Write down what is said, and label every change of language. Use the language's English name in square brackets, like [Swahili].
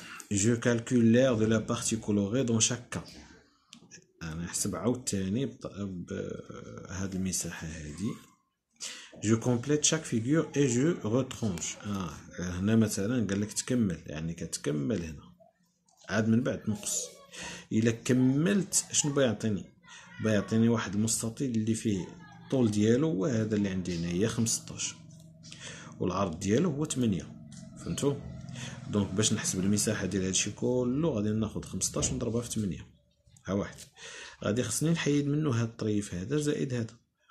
[French] Je calcule l'aire de la partie colorée dans chaque cas. [Arabic] انا نحسب عاوتاني بهذه المساحه هذه. [French] Je complète chaque figure et je retranche. [Arabic] هنا مثلا قال لك تكمل، يعني كتكمل هنا عاد من بعد تنقص. الا كملت شنو بيعطيني؟ بيعطيني واحد المستطيل اللي فيه الطول ديالو هو هذا اللي عندي هنا هي 15 والعرض ديالو هو 8، فهمتوا؟ دونك باش نحسب المساحه ديال هادشي كله غادي ناخذ 15 ونضربها في 8، ها واحد غادي خصني نحيد منه هاد الطريف هذا زائد هذا.